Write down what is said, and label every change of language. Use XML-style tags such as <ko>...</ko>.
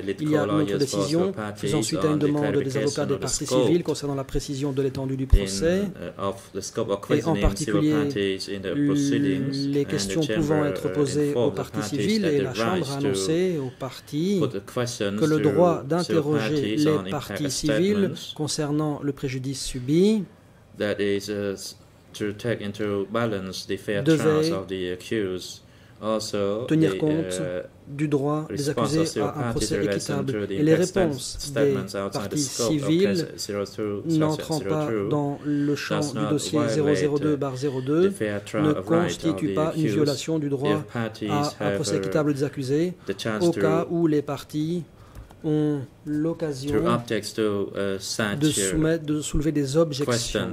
<fr>Il y a une autre décision faisant suite à une demande des avocats des parties civiles concernant la précision de l'étendue du procès et en particulier les questions pouvant être posées aux parties civiles, et la Chambre a annoncé aux parties que le droit d'interroger les parties civiles concernant le préjudice subi</fr> <en>to take into balance the fair trials of the accused. Also,</en> <fr>tenir compte du droit des accusés à un procès équitable et les réponses des parties civiles n'entrant pas dans le champ du dossier 002/02 ne constituent pas une violation du droit à un procès équitable des accusés au cas où les parties ont l'occasion de soulever des objections.</fr>